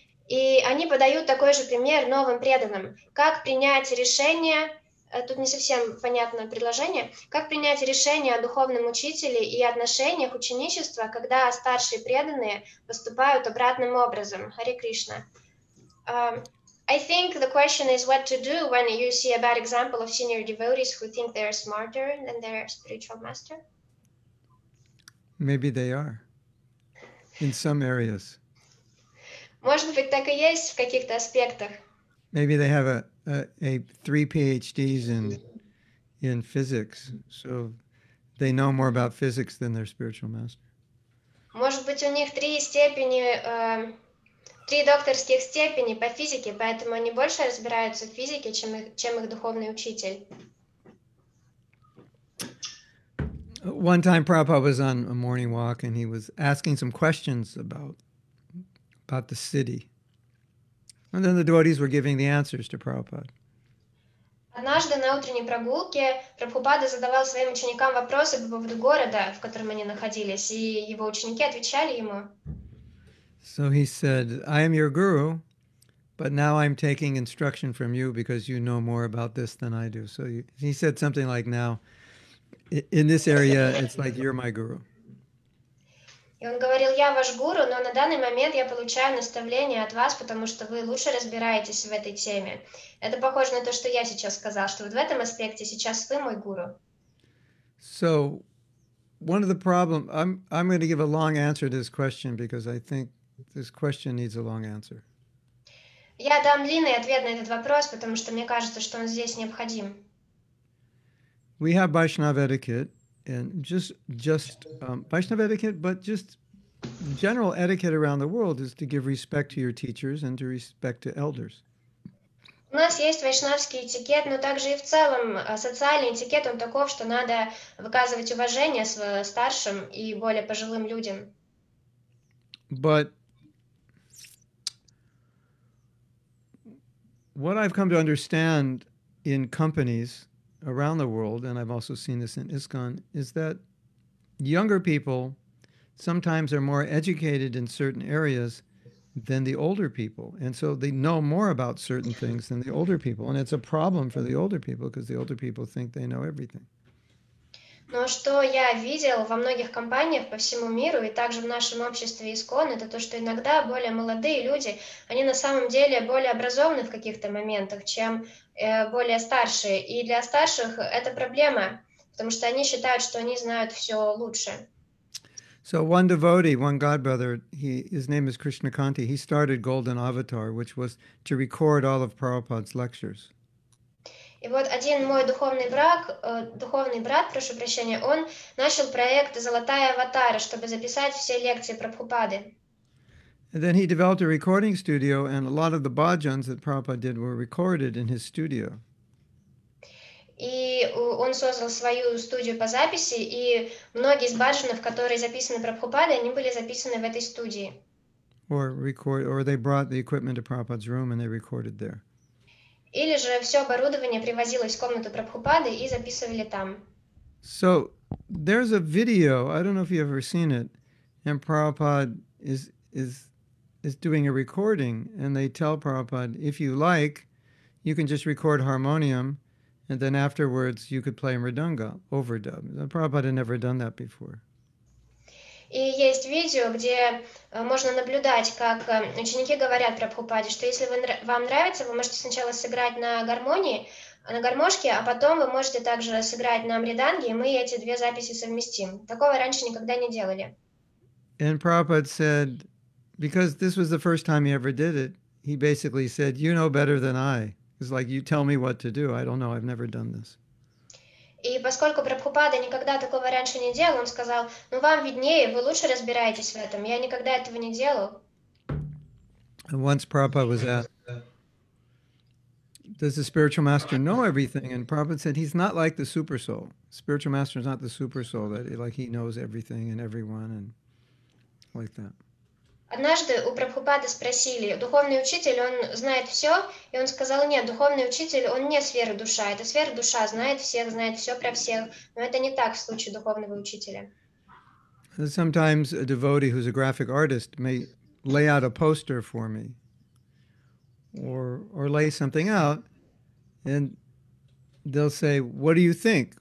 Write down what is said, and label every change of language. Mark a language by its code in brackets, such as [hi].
[ru] И они подают такой же пример новым преданным. Как принять решение, тут не совсем понятное предложение, как принять решение о духовном учителе и отношениях ученичества, когда старшие преданные поступают обратным образом? [en] Hare Krishna. I think the question is what to do when you see a bad example of senior devotees who think they are smarter than their spiritual master. Maybe they are. In some areas. [ru] Может быть, так и есть в каких-то аспектах. [en] Maybe they have a 3 PhDs in physics, so they know more about physics than their spiritual master. [ru] Может быть, у них 3 степени три докторских степени по физике, поэтому они больше разбираются в физике, чем их духовный учитель. [en] One time Prabhupada was on a morning walk and he was asking some questions about the city. And then the devotees were giving the answers to Prabhupada. [ru] Однажды на утренней прогулке Прабхупада задавал своим ученикам вопросы по поводу города, в котором они находились, и его ученики отвечали ему. [en] So he said, I am your guru, but now I'm taking instruction from you because you know more about this than I do. He said something like, now, in this area, it's like you're my guru. [ru] И он говорил, я ваш гуру, но на данный момент я получаю наставление от вас, потому что вы лучше разбираетесь в этой теме. Это похоже на то, что я сейчас сказал, что вот в этом аспекте сейчас вы мой гуру. [en] So one of the problems, I'm going to give a long answer to this question because I think this question needs a long answer. [ru] Я дам длинный ответ на этот вопрос, потому что мне кажется, что он здесь необходим. [en] We have Vaishnava etiquette, and just Vaishnava etiquette, but just general etiquette around the world is to give respect to your teachers and to respect to elders. [ru] У нас есть вайшнавский этикет, но также и в целом социальный этикет, он таков, что надо выказывать уважение старшим и более пожилым людям. [en] But what I've come to understand in companies around the world, and I've also seen this in ISKCON, is that younger people sometimes are more educated in certain areas than the older people. And so they know more about certain things than the older people. And it's a problem for the older people because the older people think they know everything. [ru] Но что я видел во многих компаниях по всему миру и также в нашем обществе ИСКОН, это то, что иногда более молодые люди, они на самом деле более образованы в каких-то моментах, чем более старшие. И для старших это проблема, потому что они считают, что они знают все лучше. [en] So one devotee, one god brother, his name is Krishnakanti. He started Golden Avatar, which was to record all of Prabhupada's lectures. [ru] И вот один мой духовный брат, прошу прощения, он начал проект Золотая аватара, чтобы записать все лекции Прабхупады. [en] And then he developed a recording studio, and a lot of the bhajans that Prabhupada did were recorded in his studio. [ru] И он создал свою студию по записи, и многие из бхаджанов, которые записаны Прабхупадой, они были записаны в этой студии. [en] Or they brought the equipment to Prabhupada's room and they recorded there. [ru] Или же все оборудование привозилось в комнату Прабхупады и записывали там. [en] So there's a video, I don't know if you've ever seen it, and Prabhupada is doing a recording, and they tell Prabhupada, if you like, you can just record harmonium, and then afterwards you could play mridanga, overdub. Prabhupada had never done that before. [ru] И есть видео, где можно наблюдать, как ученики говорят Прабхупаде, что если вам нравится, вы можете сначала сыграть на гармонии, на гармошке, а потом вы можете также сыграть на мриданге, и мы эти две записи совместим. Такого раньше никогда не делали. [en] And Prabhupada said, because this was the first time he ever did it, he basically said, you know better than I. It's like, you tell me what to do. I don't know. I've never done this. [ru] И поскольку Прабхупада никогда такого раньше не делал, он сказал, ну вам виднее, вы лучше разбираетесь в этом. Я никогда этого не делал. [en] And once Prabhupada was asked, does the spiritual master know everything? And Prabhupada said, he's not like the super soul. Spiritual master is not the super soul, that like he knows everything and everyone and like that. [ru] Однажды у Прабхупады спросили, духовный учитель, он знает все? И он сказал, нет, духовный учитель, он не сверхдуша. Это сверхдуша знает всех, знает все про всех. Но это не так в случае духовного учителя. [en] Sometimes a devotee who's a graphic artist may lay out a poster for me or lay something out and they'll say, what do you think?